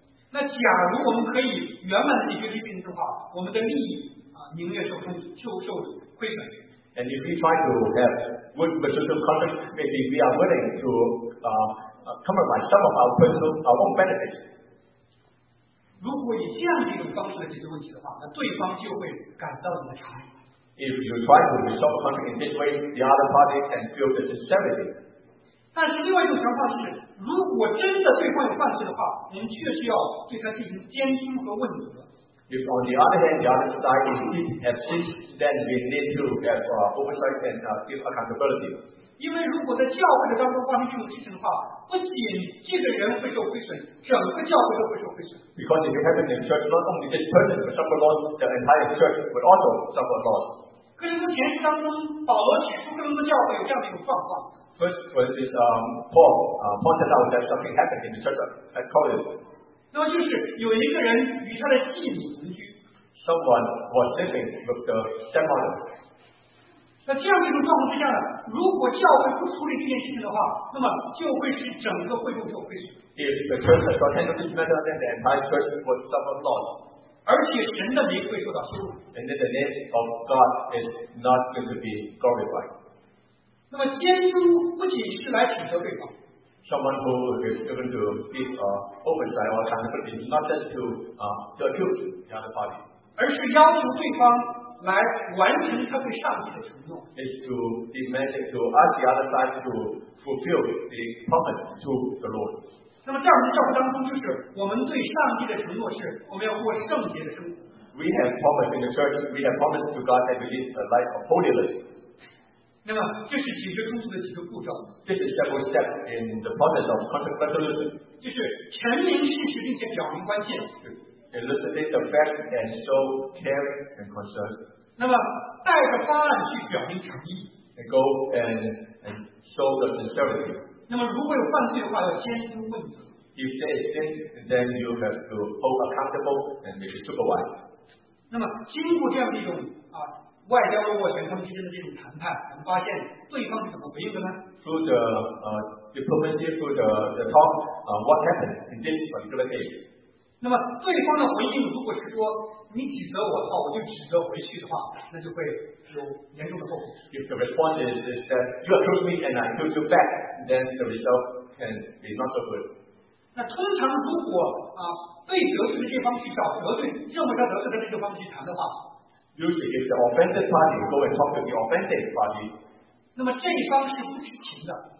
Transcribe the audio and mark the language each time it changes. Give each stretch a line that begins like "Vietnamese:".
Chinese: 那假如我们可以圆满地解决这个的话，我们的利益宁愿受亏损。
English: And if we try to have good personal conduct, maybe we are willing to compromise some of our personal our own benefits.
Chinese: 如果以这样一种方式来解决问题的话，那对方就会感到你的诚意。
English: If you try to resolve conflict in this way, the other party can feel the sincerity.
Chinese: 但是另外一种想法是，如果真的对方有犯罪的话，我们确实要对他进行监督和问责。
English: If on the other hand, the other side is deep and sins, then we need to have oversight and give accountability.
Chinese: 因为如果在教会的当中发生这种事情的话，不仅这个人会受亏损，整个教会都会受亏损。
English: Because if it happens in church, not only this person will suffer loss, the entire church will also suffer loss.
Chinese: 可是在前书当中，保罗指出更多教会有这样的一种状况。
English: First was this Paul pointed out that something happened in the church at Corinth.
Chinese: 那就是有一个人与他的继母同居。
English: Someone was living with the stepmother.
Chinese: 那这样一种状况之下呢，如果教会不处理这件事情的话，那么就会使整个会众受亏损。
English: If the church does not handle this matter, then the entire church would suffer loss.
Chinese: 而且神的名会受到羞辱。
English: And then the name of God is not going to be glorified.
Chinese: 那么监督不仅是来指责对方。
English: Someone who is given to be oversight or accountability is not just to accuse the other party.
Chinese: 而是要求对方来完成他对上帝的承诺。
English: It's to demand it to ask the other side to fulfill the promise to the Lord.
Chinese: 那么这样的教会当中，就是我们对上帝的承诺是我们要过圣洁的生活。
English: We have promised in the church, we have promised to God that we live a life of holiness.
Chinese: 那么这是解决冲突的几个步骤。
English: This is several steps in the process of conflict resolution.
Chinese: 就是陈明事实，并且表明关键。
English: Elicit the fact and show care and concern.
Chinese: 那么带着方案去表明诚意。
English: And go and show the sincerity.
Chinese: 那么如果有犯罪的话，要监督问责。
English: If there is sin, then you have to hold accountable and maybe supervise.
Chinese: 那么经过这样一种外交的斡旋，他们之间的这种谈判，我们发现对方是怎么回应的呢
English: ？Through the diplomacy, through the talk, what happened in this particular case?
Chinese: 那么对方的回应如果是说你指责我的话，我就指责回去的话，那就会有严重的后果。
English: If the response is that you accuse me and I accuse you back, then the result can be not so good.
Chinese: 那通常如果被得罪的这方去找得罪，认为他得罪的这方去谈的话。
English: usually if the offended party go and talk to the offended party,
Chinese: 那么这一方是不知情的。